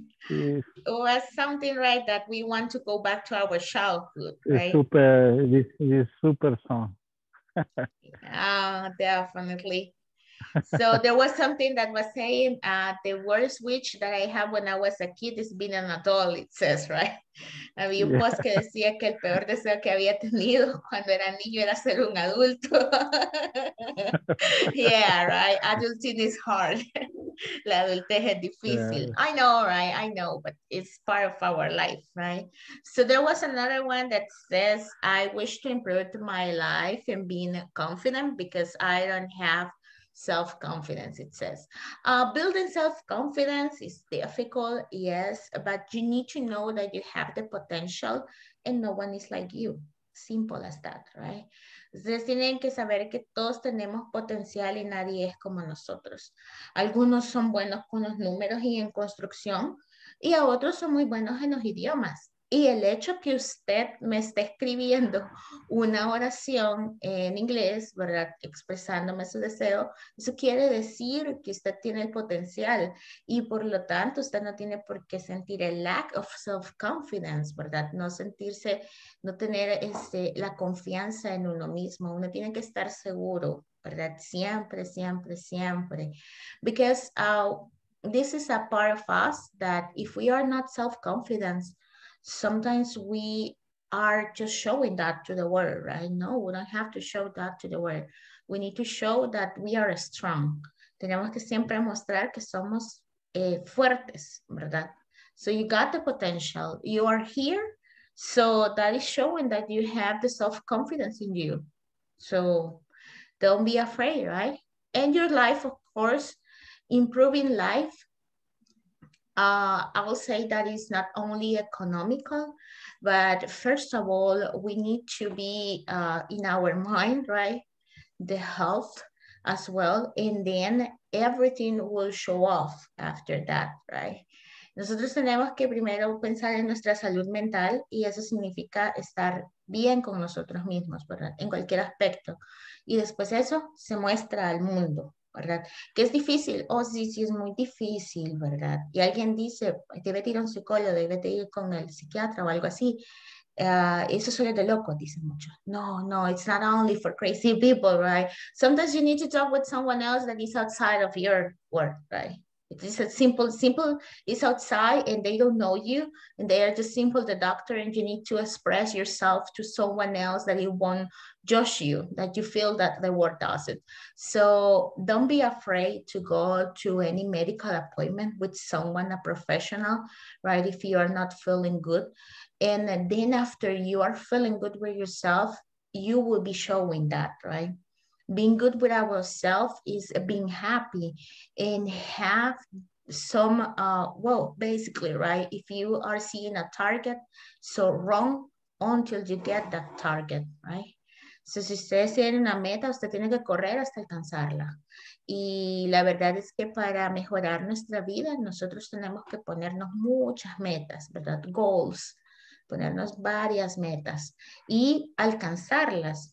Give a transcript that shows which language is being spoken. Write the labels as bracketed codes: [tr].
[en] it was something, right, that we want to go back to our childhood, right? It's super song. Yeah, definitely. So there was something that was saying, the worst wish that I have when I was a kid is being an adult, it says, right? [es] Había un post que decía que el peor deseo que había tenido cuando era niño era ser un adulto. [en] Yeah, right? Adulting is hard. [es] La adultez es difícil. [en] Yeah. I know, but it's part of our life, right? So there was another one that says, I wish to improve my life and being confident because I don't have self-confidence, it says. Building self-confidence is difficult, yes, but you need to know that you have the potential and no one is like you. Simple as that, right? [es] Ustedes tienen que saber que todos tenemos potencial y nadie es como nosotros. Algunos son buenos con los números y en construcción y a otros son muy buenos en los idiomas. Y el hecho que usted me esté escribiendo una oración en inglés, ¿verdad? Expresándome su deseo, eso quiere decir que usted tiene el potencial y por lo tanto usted no tiene por qué sentir el [en] lack of self-confidence, [es] ¿verdad? No sentirse, no tener la confianza en uno mismo. Uno tiene que estar seguro, ¿verdad? Siempre, siempre, siempre. [en] Because this is a part of us that if we are not self-confidence, sometimes we are just showing that to the world, right? No, we don't have to show that to the world. We need to show that we are strong. [es] Tenemos que siempre mostrar que somos fuertes, ¿verdad? [en] So you got the potential. You are here. So that is showing that you have the self-confidence in you. So don't be afraid, right? And your life, of course, improving life. I will say that it's not only economical, but first of all, we need to be in our mind, right? The health as well. And then everything will show off after that, right? [es] Nosotros tenemos que primero pensar en nuestra salud mental y eso significa estar bien con nosotros mismos, ¿verdad? En cualquier aspecto. Y después eso se muestra al mundo. ¿Verdad? Que es difícil. Oh, sí, sí, es muy difícil, ¿verdad? Y alguien dice, debe ir a un psicólogo, debe ir con el psiquiatra o algo así. Eso suele de loco, dicen muchos. [en] No, it's not only for crazy people, right? Sometimes you need to talk with someone else that is outside of your world, right? It is a simple, it's outside and they don't know you. And they are just simple, the doctor, and you need to express yourself to someone else that it won't judge you, that you feel that the world does it. So don't be afraid to go to any medical appointment with someone, a professional, right? If you are not feeling good. And then after you are feeling good with yourself, you will be showing that, right? Being good with ourselves is being happy and have some, basically, right? If you are seeing a target, so wrong, until you get that target, right? [es] So, si ustedes tienen una meta, usted tiene que correr hasta alcanzarla. Y la verdad es que para mejorar nuestra vida, nosotros tenemos que ponernos muchas metas, ¿verdad? Goals. Ponernos varias metas y alcanzarlas.